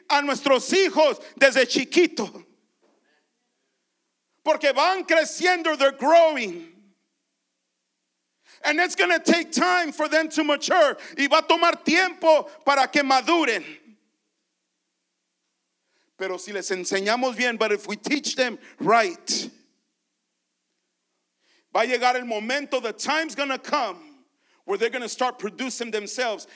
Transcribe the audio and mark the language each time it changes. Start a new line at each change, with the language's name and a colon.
Spanish: a nuestros hijos desde chiquito. Porque van creciendo,
English: they're growing. And it's going to take time for them to mature.
Spanish: Y va a tomar tiempo para que maduren. Pero si les enseñamos bien,
English: but if we teach them right,
Spanish: va a llegar el momento,
English: the time's going to come, where they're going to start producing themselves.